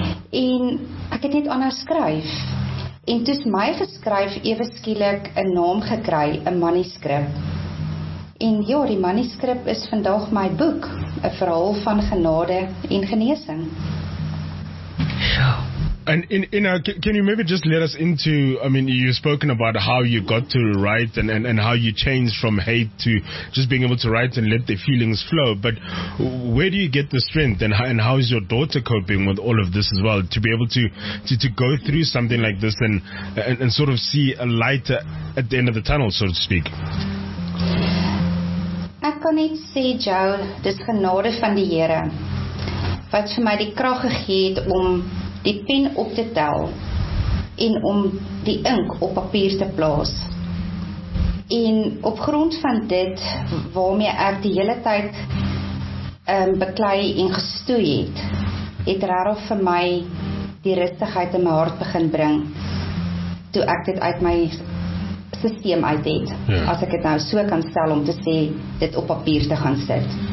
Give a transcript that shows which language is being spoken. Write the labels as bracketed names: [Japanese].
[Afrikaans] En ek het net anders skryf. En toes my geskryf ewe skielik 'n naam gekry, 'n manuskrip. En ja, die manuskrip is vandag my boek, 'n verhaal van genade en genesing. Ja. [English] And in can you maybe just let us into, I mean, you've spoken about how you got to write and how you changed from hate to just being able to write and let the feelings flow. But where do you get the strength and how is your daughter coping with all of this as well, to be able to go through something like this and sort of see a light at the end of the tunnel, so to speak? [Afrikaans] Ek kan net sê, Joe, dis genade van die Here wat vir my die krag gegee het om die pen op te tel en om die ink op papier te plaas. En op grond van dit waarmee ek die hele tyd beklei en gestoei het, het regtig vir my die rustigheid in my hart begin bring toe ek dit uit my sisteem uit het, as ek het nou so kan stel om te sê, dit op papier te gaan sit.